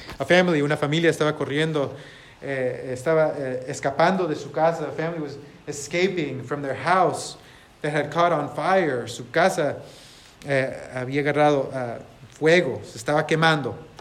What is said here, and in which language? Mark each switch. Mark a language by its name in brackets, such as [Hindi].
[English] A family, [Spanish] una familia estaba corriendo, escapando de su casa. [English] A family was escaping from their house that had caught on fire. [Spanish] Su casa había agarrado fuego, se estaba quemando.